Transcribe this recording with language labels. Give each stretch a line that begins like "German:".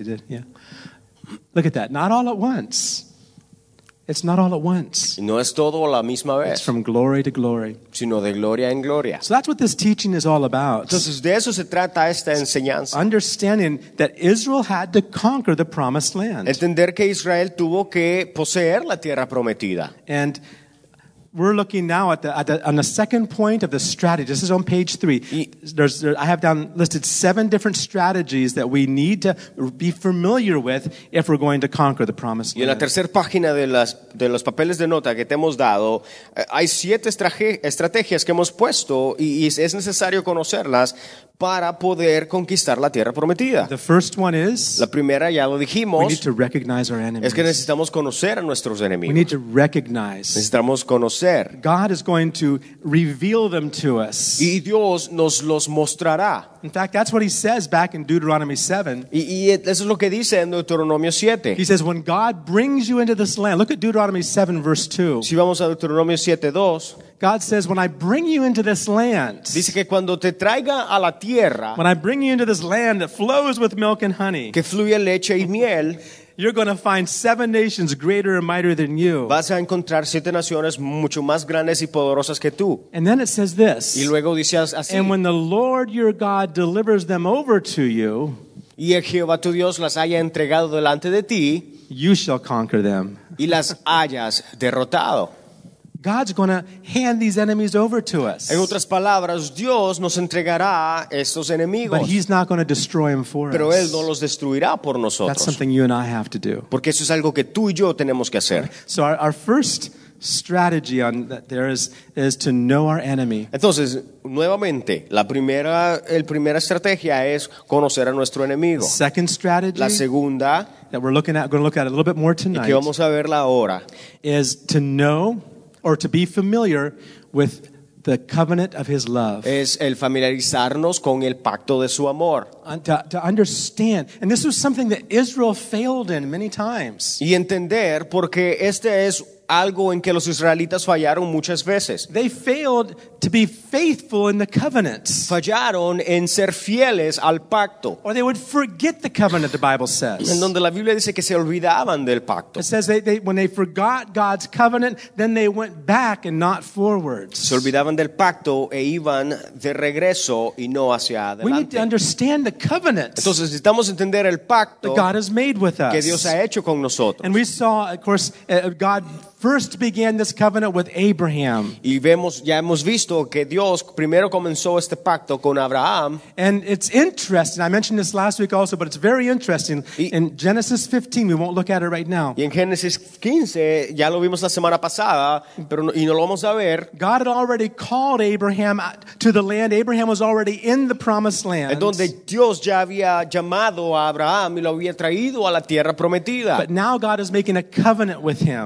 English: It did, yeah. Look at that. Not all at once. It's not all at once.
Spanish: No es todo a la misma vez.
English: It's from glory to glory.
Spanish: Sino de gloria en gloria.
English: So that's what this teaching is all about.
Spanish: Entonces, de eso se trata esta enseñanza.
English: Understanding that Israel had to conquer the promised land.
Spanish: Entender que Israel tuvo que poseer la tierra prometida.
English: And we're looking now on the second point of the strategy. This is on page 3. I have down listed 7 different strategies that we need to be familiar with if we're going to conquer the promised land.
Spanish: Y en la tercera página de los papeles de nota que te hemos dado, hay 7 estrategias que hemos puesto y es necesario conocerlas para poder conquistar la tierra prometida.
English: The first one is,
Spanish: la primera ya lo dijimos,
English: we need to recognize our enemies.
Spanish: Es que necesitamos conocer a nuestros enemigos.
English: We need to recognize.
Spanish: Necesitamos conocer.
English: God is going to reveal them to us.
Spanish: Y Dios nos los mostrará.
English: In fact, that's what he says back in Deuteronomy 7.
Spanish: Y eso es lo que dice en Deuteronomio 7.
English: He says, when God brings you into this land, look at Deuteronomy 7, verse 2.
Spanish: Si vamos a Deuteronomio 7, 2.
English: God says, when I bring you into this land,
Spanish: dice que cuando te traiga a la tierra,
English: when I bring you into this land that flows with milk and honey,
Spanish: que fluye leche y miel,
English: you're going to find 7 nations greater and mightier than you.
Spanish: Vas a encontrar 7 naciones mucho más grandes y poderosas que tú.
English: And then it says this.
Spanish: Y luego dice así.
English: And when the Lord your God delivers them over to you,
Spanish: y el Jehová tu Dios las haya entregado delante de ti,
English: you shall conquer them.
Spanish: Y las hayas derrotado.
English: God's going to hand these enemies over to us.
Spanish: En otras palabras, Dios nos entregará estos enemigos.
English: But he's not going to destroy them for
Spanish: pero
English: us.
Spanish: Pero él no los destruirá por nosotros.
English: That's something you and I have to do.
Spanish: Porque eso es algo que tú y yo tenemos que hacer.
English: So our first strategy on that there is to know our enemy.
Spanish: Entonces, nuevamente, la primera estrategia es conocer a nuestro enemigo.
English: Second strategy.
Spanish: La segunda
English: that we're looking at, going to look at a little bit more tonight.
Spanish: Y que vamos a verla ahora.
English: Is to know or to be familiar with the covenant of his love.
Spanish: Es el familiarizarnos con el pacto de su amor.
English: To understand. And this was something that Israel failed in many times.
Spanish: Y entender porque este es algo en que los israelitas fallaron muchas veces.
English: They failed to be faithful in the covenant.
Spanish: Fallaron en ser fieles al pacto.
English: Or they would forget the covenant, the Bible says.
Spanish: En donde la Biblia dice que se olvidaban del pacto.
English: It says they when they forgot God's covenant, then they went back and not forwards.
Spanish: Se olvidaban del pacto e iban de regreso y no hacia adelante.
English: We need to understand the covenant.
Spanish: Entonces necesitamos entender el pacto
English: that God has made with us.
Spanish: Que Dios ha hecho con nosotros.
English: And we saw, of course, God first began this covenant with Abraham.
Spanish: Y vemos, ya hemos visto que Dios primero comenzó este pacto con Abraham.
English: And it's interesting. I mentioned this last week also, but it's very interesting. In Genesis 15, we won't look at it right now.
Spanish: Y en Génesis 15, ya lo vimos la semana pasada, pero no, y no lo vamos a ver.
English: God had already called Abraham to the land. Abraham was already in the promised land.
Spanish: En donde Dios ya había llamado a Abraham y lo había traído a la tierra prometida.
English: But now God is making a covenant with him.